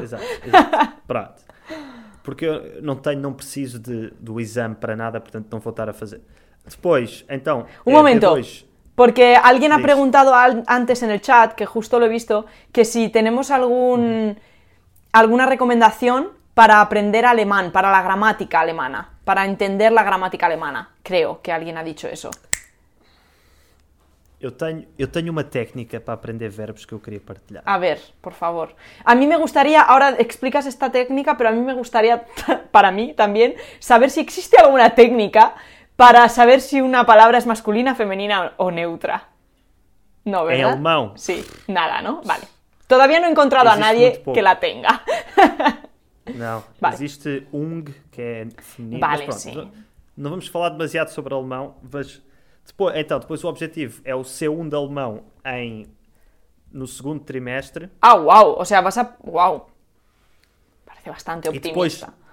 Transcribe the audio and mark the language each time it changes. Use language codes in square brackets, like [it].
[pt] Exato. Pronto. Porque eu não preciso do exame para nada, portanto não vou estar a fazer. Depois, então... momento. Depois, porque alguém ha perguntado antes no chat, [es] que justo lo he visto, [pt] que se temos alguma recomendação... [es] Para aprender alemán, para la gramática alemana, para entender la gramática alemana. Creo que alguien ha dicho eso. Yo tengo una técnica para aprender verbos que yo quería partilhar. A ver, por favor. A mí me gustaría, ahora explicas esta técnica, pero a mí me gustaría, para mí también, saber si existe alguna técnica para saber si una palabra es masculina, femenina o neutra. No, ¿verdad? En alemán. Sí, nada, ¿no? Vale. Todavía no he encontrado existe a nadie que la tenga. [pt] Não, vale. Existe Ung, que é feminino. Vale, mas pronto, não vamos falar demasiado sobre alemão, mas depois o objetivo é o C1 de alemão em no segundo trimestre. Ah, uau! Ou seja, vas a... Uau! Parece bastante optimista.